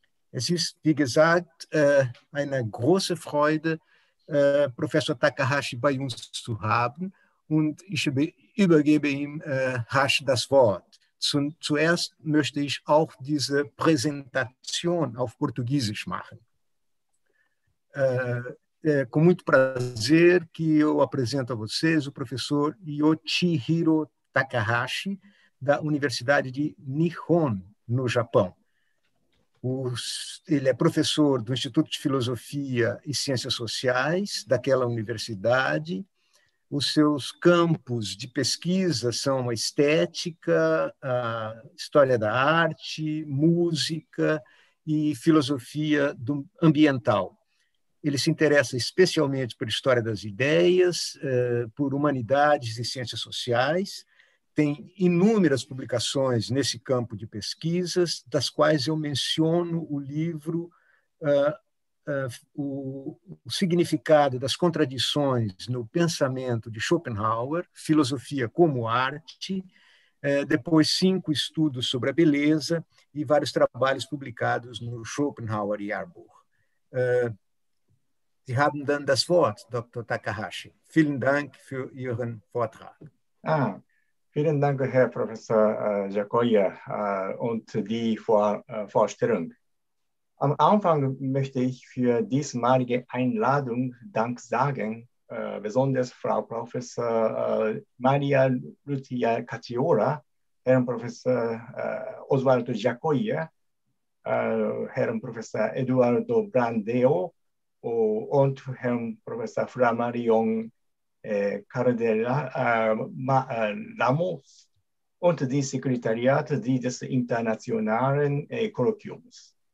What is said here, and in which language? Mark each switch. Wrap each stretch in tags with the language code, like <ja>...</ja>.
<de>Es ist, wie gesagt, eine große Freude, Professor Takahashi bei uns zu haben. Und ich übergebe ihm rasch das Wort. Zuerst möchte ich auch diese Präsentation auf Portugiesisch machen.</de> <pt>Com muito prazer que eu apresento a vocês o professor Yoshihiro Takahashi, da Universidade de Nihon, no Japão. Ele é professor do Instituto de Filosofia e Ciências Sociais daquela universidade. Os seus campos de pesquisa são a estética, a história da arte, música e filosofia ambiental. Ele se interessa especialmente por história das ideias, por humanidades e ciências sociais. Tem inúmeras publicações nesse campo de pesquisas, das quais eu menciono o livro O Significado das Contradições no Pensamento de Schopenhauer, Filosofia como Arte, depois 5 estudos sobre a beleza e vários trabalhos publicados no Schopenhauer Yearbook.</pt> <de>Sie haben dann das Wort, Dr. Takahashi. Vielen Dank für Ihren Vortrag. Ah. Vielen Dank, Herr Professor Giacoia, und die Vorstellung. Am Anfang möchte ich für diesmalige Einladung Dank sagen, besonders Frau Professor Maria Lucia Caciola, Herrn Professor Oswaldo Giacoia, Herrn Professor Eduardo Brandeo und Herrn Professor Flammarion Cardella Ramos und die Sekretariat dieses internationalen Kolloquiums.</de>